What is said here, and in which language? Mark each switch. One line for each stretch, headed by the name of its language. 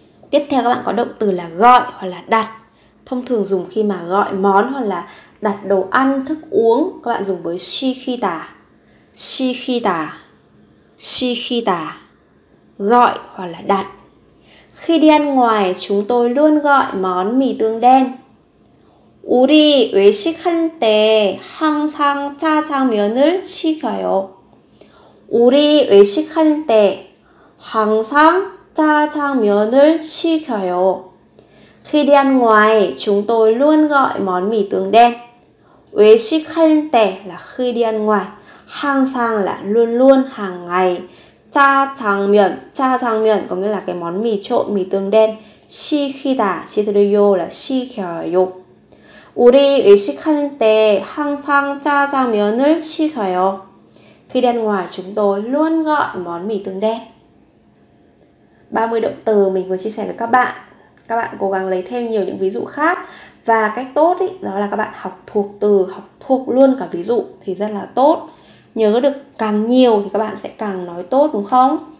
Vietnamese: Tiếp theo các bạn có động từ là gọi hoặc là đặt. Thông thường dùng khi mà gọi món hoặc là đặt đồ ăn, thức uống. Các bạn dùng với shikita. Shikita. Shikita. Gọi hoặc là đặt. Khi đi ăn ngoài, chúng tôi luôn gọi món mì tương đen.
Korean: 우리 외식할 때 항상 짜장면을 시켜요. 우리 외식할 때 항상 짜장면을 시켜요.
Vietnamese: Khi đi ăn ngoài, chúng tôi luôn gọi món mì tương đen.
Korean: 외식할 때
Vietnamese: là khi đi ăn ngoài. 항상 là luôn luôn, hàng ngày. 짜장면, 짜장면 có nghĩa là cái món mì trộn, mì tương đen.
Korean: 시키다, 시드려요 là 시켜요. 우리 외식할 때 항상 짜장면을 시켜요.
Vietnamese: Khi đi ăn ngoài, chúng tôi luôn gọi món mì tương đen. 30 động từ mình vừa chia sẻ với các bạn. Các bạn cố gắng lấy thêm nhiều những ví dụ khác. Và cách tốt ý, đó là các bạn học thuộc từ, học thuộc luôn cả ví dụ thì rất là tốt. Nhớ được càng nhiều thì các bạn sẽ càng nói tốt, đúng không?